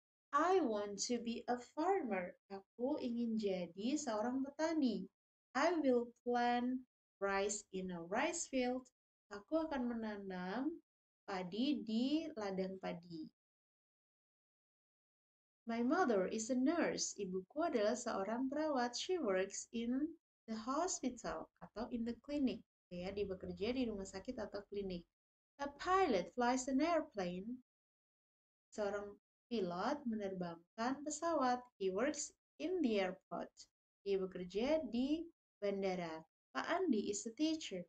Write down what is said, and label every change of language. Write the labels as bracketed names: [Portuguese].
[English] I want to be a farmer. [Indonesian] Aku ingin jadi seorang petani. [English] I will plant rice in a rice field. [Indonesian] Aku akan menanam padi di ladang padi. [English] My mother is a nurse. [Indonesian] Ibuku adalah seorang perawat. [English] She works in the hospital atau in the clinic. [Indonesian] Ya, dia bekerja di rumah sakit atau klinik. [English] A pilot flies an airplane. [Indonesian] Seorang pilot menerbangkan pesawat. [English] He works in the airport. [Indonesian] Dia bekerja di bandara. [English] Pak Andi is a teacher.